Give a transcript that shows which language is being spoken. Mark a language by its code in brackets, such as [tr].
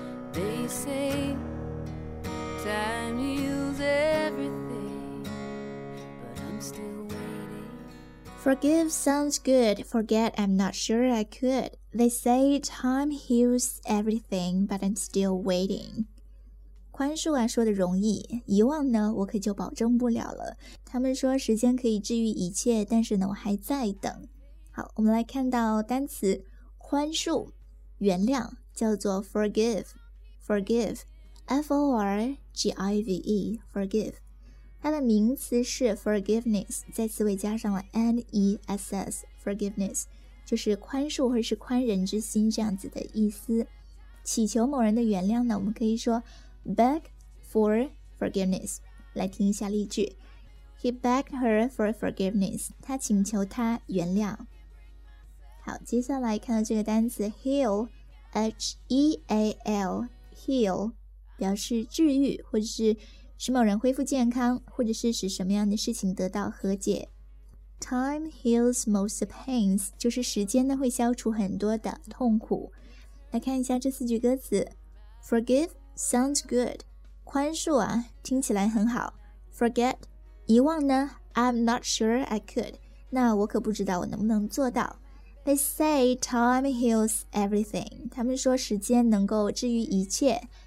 [en] They say time heals everything, but I'm still waiting. Forgive sounds good. Forget, I'm not sure I could. They say time heals everything, but I'm still waiting. [zh] 宽恕啊说的容易，遗忘呢我可就保证不了了。他们说时间可以治愈一切，但是呢我还在等。好，我们来看到单词宽恕原谅叫做 forgive， forgive， F-O-R-G-I-V-E， forgive。它的名词是 forgiveness， 在词尾加上了 N-E-S-S， forgiveness 就是宽恕或是宽人之心这样子的意思。祈求某人的原谅呢我们可以说 [en] Beg for forgiveness. [zh] 来听一下例句。 [en] He begged her for forgiveness. [zh] 他请求她原谅。好，接下来看到这个单词 heal, H-E-A-L, heal, 表示治愈或者是使某人恢复健康或者是使什么样的事情得到和解。 [en] Time heals most pains, [zh] 就是时间呢会消除很多的痛苦。来看一下这四句歌词。 [en] Forgive,Sounds good. [zh] 宽恕啊，听起来很好。 [en] Forget, [zh] 遗忘呢 [en] I'm not sure I could. [zh] 那我可不知道我能不能做到。 [en] They say time heals everything. [zh] 他们说时间能够治愈一切。